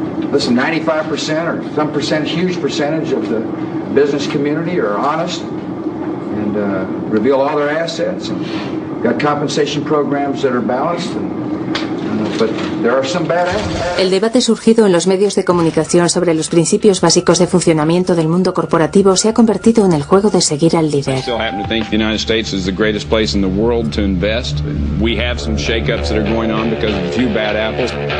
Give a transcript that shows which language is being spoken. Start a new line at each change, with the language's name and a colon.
English: Listen, 95% or some percent, huge percentage of the business community are honest and reveal all their assets and got compensation programs that are balanced and
Spanish: El debate surgido en los medios de comunicación sobre los principios básicos de funcionamiento del mundo corporativo se ha convertido en el juego de seguir al líder.
English: I still happen to think the United States is the greatest place in the world to invest. We have some shakeups that are going on because of a few bad apples.